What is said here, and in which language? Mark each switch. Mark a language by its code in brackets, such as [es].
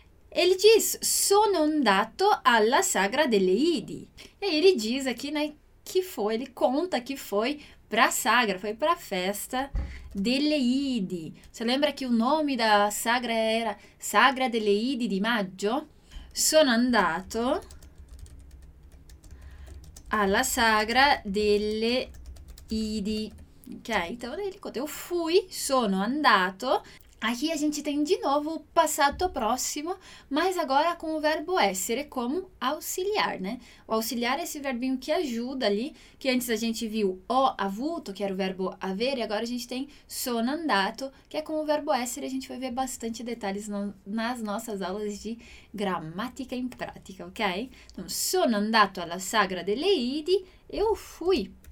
[pt] Ele diz, [it] sono andato alla sagra delle Idi. [pt] E aí ele diz aqui, né, que foi, ele conta que foi pra sagra, foi pra festa delle Idi. Você lembra que o nome da sagra era Sagra delle Idi di Maggio? [it] Sono andato alla sagra delle Idi. [pt] Ok, então ele conta, eu fui, [it] sono andato. [pt] Aqui a gente tem de novo o passato próximo, mas agora com o verbo essere como auxiliar, né? O auxiliar é esse verbinho que ajuda ali, que antes a gente viu [it] ho avuto, [pt] que era o verbo avere, e agora a gente tem [it] sono andato, [pt] que é com o verbo essere, a gente vai ver bastante detalhes nas nossas aulas de gramática em prática, ok? [it] Então, sono andato alla sagra delle Idi, [pt] eu fui...